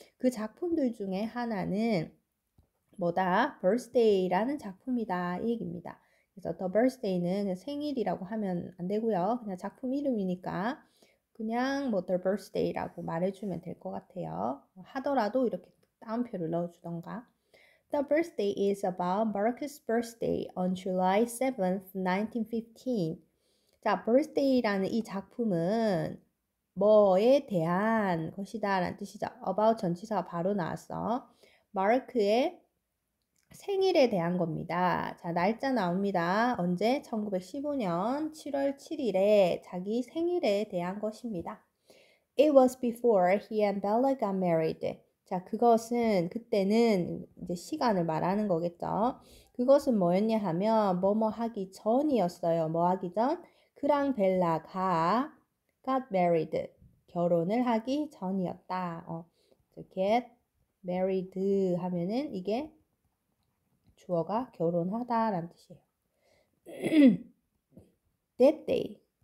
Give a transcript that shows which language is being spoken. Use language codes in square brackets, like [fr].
[ko] 그 작품들 중에 하나는 뭐다? Birthday라는 작품이다. 이 얘기입니다. 그래서 The Birthday는 생일이라고 하면 안 되고요. 그냥 작품 이름이니까 그냥 뭐 The Birthday라고 말해주면 될것 같아요. 하더라도 이렇게 따옴표를 넣어주던가. [en] The Birthday is about Marcus' birthday on July 7th, 1915. [ko] 자, Birthday라는 이 작품은 뭐에 대한 것이다 라는 뜻이죠. About 전치사가 바로 나왔어. 마르크의 생일에 대한 겁니다. 자, 날짜 나옵니다. 언제? 1915년 7월 7일에 자기 생일에 대한 것입니다. [en] It was before he and Bella got married. [ko] 자, 그것은 그때는 이제 시간을 말하는 거겠죠. 그것은 뭐였냐 하면 뭐뭐 하기 전이었어요. 뭐 하기 전? 그랑 벨라가 [en] got married. [ko] 결혼을 하기 전이었다. Get married 하면은 이게 주어가 결혼하다라는 뜻이에요. [en] That day.